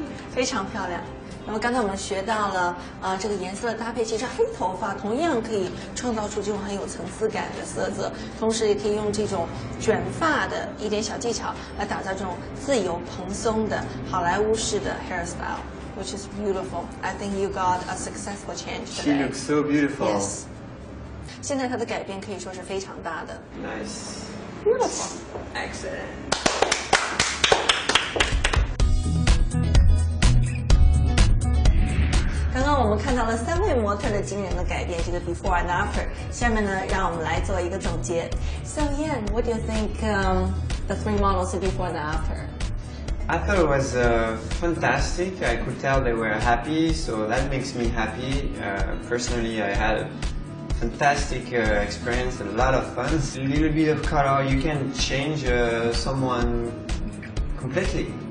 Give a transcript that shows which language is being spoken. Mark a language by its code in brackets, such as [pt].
[zh] 非常漂亮。那么刚才我们学到了这个颜色的搭配，其实黑头发同样可以创造出这种很有层次感的色泽，同时也可以用这种卷发的一点小技巧来打造这种自由蓬松的好莱坞式的 [en] hairstyle, which is beautiful. I think you got a successful change today. She looks so beautiful. Yes. [zh] 现在她的改变可以说是非常大的。 [en] Nice. Beautiful. Excellent. [zh] 刚刚我们看到了三位模特的惊人的改变，这个 [en] before and after。 [zh] 下面呢，让我们来做一个总结。 [en] So Ian, what do you think the three models before and after? I thought it was fantastic. I could tell they were happy, so that makes me happy. Personally, I had a fantastic experience, a lot of fun. A little bit of color, you can change someone completely.